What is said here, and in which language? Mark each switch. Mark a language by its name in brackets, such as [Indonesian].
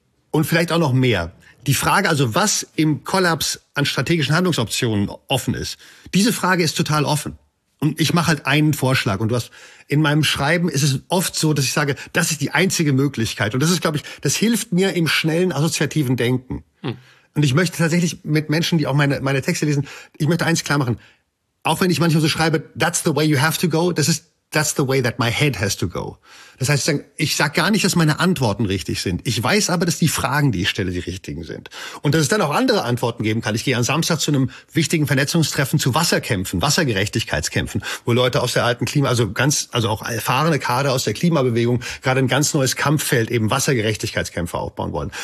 [German] Und vielleicht auch noch mehr. Die Frage, also was im Kollaps an strategischen Handlungsoptionen offen ist, diese Frage ist total offen. Und ich mache halt einen Vorschlag. Und du hast in meinem Schreiben ist es oft so, dass ich sage, das ist die einzige Möglichkeit. Und das ist, glaube ich, das hilft mir im schnellen assoziativen Denken. Und ich möchte tatsächlich mit Menschen, die auch meine Texte lesen, ich möchte eins klar machen. Auch wenn ich manchmal so schreibe, [English] that's the way you have to go, that's the way that my head has to go. [German] Das heißt, ich sag gar nicht, dass meine Antworten richtig sind. Ich weiß aber, dass die Fragen, die ich stelle, die richtigen sind. Und dass es dann auch andere Antworten geben kann. Ich gehe am Samstag zu einem wichtigen Vernetzungstreffen zu Wasserkämpfen, Wassergerechtigkeitskämpfen, wo Leute aus der alten Klima, also auch erfahrene Kader aus der Klimabewegung, gerade ein ganz neues Kampffeld, eben Wassergerechtigkeitskämpfe aufbauen wollen.